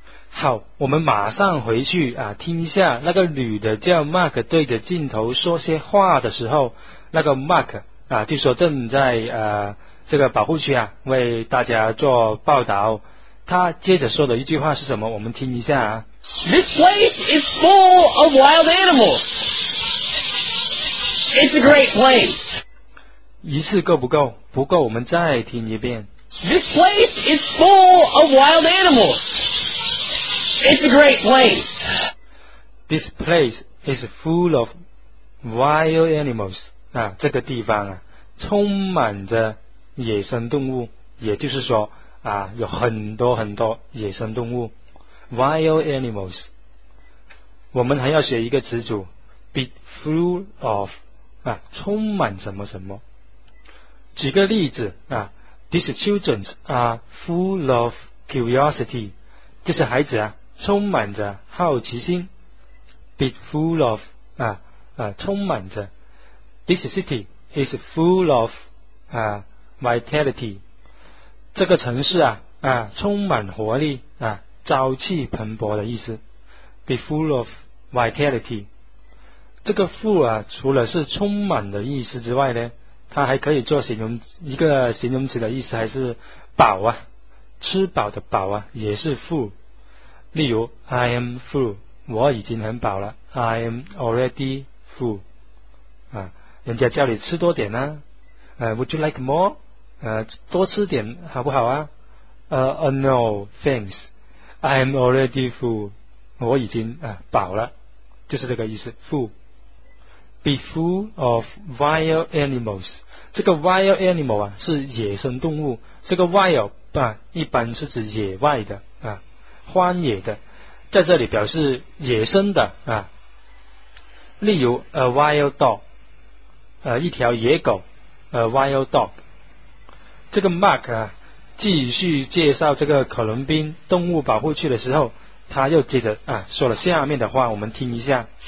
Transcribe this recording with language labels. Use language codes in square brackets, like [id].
[zh] 好，我们马上回去啊听一下那个女的叫 Mark 对着镜头说些话的时候，那个 Mark 啊就说正在这个保护区啊为大家做报道。他接着说的一句话是什么，我们听一下啊。 [en] This place is full of wild animals. It's a great place. [zh] 一次够不够？不够，我们再听一遍。 [en] This place is full of wild animals. It's a great place. This place is full of wild animals. [zh] 啊，这个地方啊，充满着野生动物，也就是说啊，有很多很多野生动物 ，wild animals。我们还要写一个词组 ，be full of， 啊，充满什么什么。举个例子啊 ， [en] these children are full of curiosity， [zh] 这些孩子啊充满着好奇心 ，be full of 充满着 ， [en] this city is full of vitality， [zh] 这个城市啊充满活力啊朝气蓬勃的意思 ， [en] be full of vitality， [zh] 这个 full 啊，除了是充满的意思之外呢，它还可以做形容一个形容词的意思，还是饱啊，吃饱的饱啊，也是 full。 [en] 例如 ，I am full， [zh] 我已经很饱了 [en] ，I am already full。 [zh] 啊，人家叫你吃多点呢、啊， [en] Would you like more？ [zh] 多吃点好不好啊？ [en] No thanks， I am already full， [zh] 我已经饱了，就是这个意思 [en] ，full。 Be full of wild animals， [zh] 这个 wild animal 啊是野生动物，这个 wild 啊一般是指野外的啊，荒野的，在这里表示野生的啊。例如 a wild dog， 一条野狗 ，a wild dog。这个 Mark 啊继续介绍这个可伦宾动物保护区的时候，他又接着啊说了下面的话，我们听一下。